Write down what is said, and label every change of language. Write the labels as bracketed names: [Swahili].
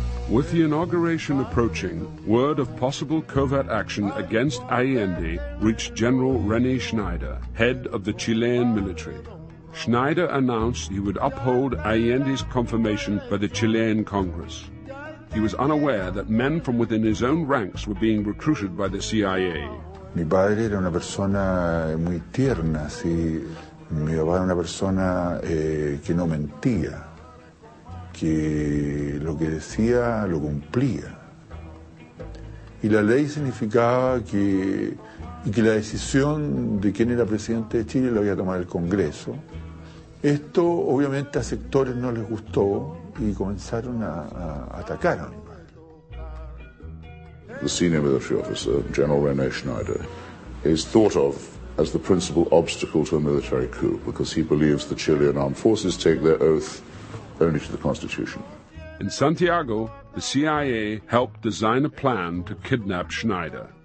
[English] With the inauguration approaching, word of possible covert action against Allende reached General René Schneider, head of the Chilean military. Schneider announced he would uphold Allende's confirmation by the Chilean Congress. He was unaware that men from within his own ranks were being recruited by the CIA. [Spanish] Mi padre era una persona muy tierna, sí. Mi papá era una persona que no mentía, que lo que decía lo cumplía. Y la ley significaba que la decisión de quién era presidente de Chile lo había tomado el Congreso. Esto obviamente a sectores no les gustó y comenzaron a atacar. [English] The senior military officer, General René Schneider, is thought of as the principal obstacle to a military coup because he believes the Chilean armed forces take their oath only to the Constitution. In Santiago, the CIA helped design a plan to kidnap Schneider.